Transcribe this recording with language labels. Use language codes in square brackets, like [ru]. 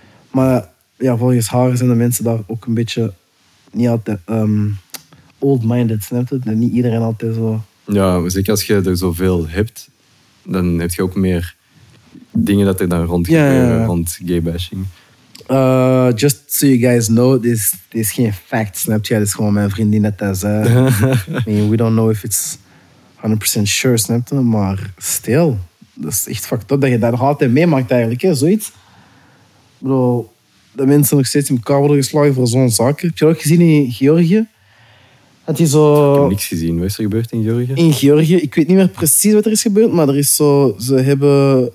[nl] Maar ja, volgens haar zijn de mensen daar ook een beetje niet altijd old-minded, snap je? Dat niet iedereen altijd zo... Ja, zeker als je er zoveel hebt, dan heb je ook meer dingen dat er dan rond gebeuren, rond gaybashing. [en] Just so you guys know, [nl] dit is geen fact, snap je? Dit is gewoon mijn vriendin net als... [en] I mean, we don't know if it's 100% sure, [nl] snap je? Maar still, dat is echt fucked up dat je dat nog altijd meemaakt eigenlijk, hè? Zoiets. Ik bedoel, de mensen nog steeds in elkaar worden geslagen voor zo'n zaken. Heb je dat ook gezien in Georgië? Dat is zo... Ik heb niks gezien. Wat is er gebeurd in Georgië? In Georgië. Ik weet niet meer precies wat er is gebeurd, maar er is zo... Ze hebben...